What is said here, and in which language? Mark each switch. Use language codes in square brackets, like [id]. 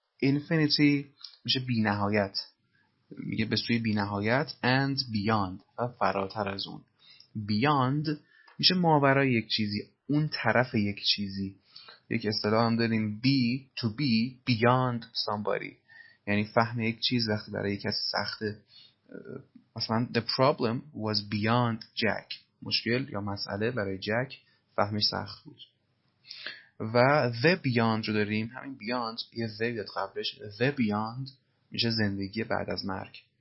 [fa] Infinity میشه بی نهایت. میگه به سوی بی نهایت. [en] And beyond [fa] و فراتر از اون. Beyond میشه ماورای یک چیزی، اون طرف یک چیزی. یک اصطلاح هم داریم [en] be to be beyond somebody، [fa] یعنی فهم یک چیز وقتی برای یک کسی سخته. اصلا [en] the problem was beyond Jack. [fa] مشکل یا مسئله برای جک فهمش سخت بود. و the beyond رو داریم، همین beyond یه the بیاد قبلش. the beyond میشه زندگی بعد از مرگ.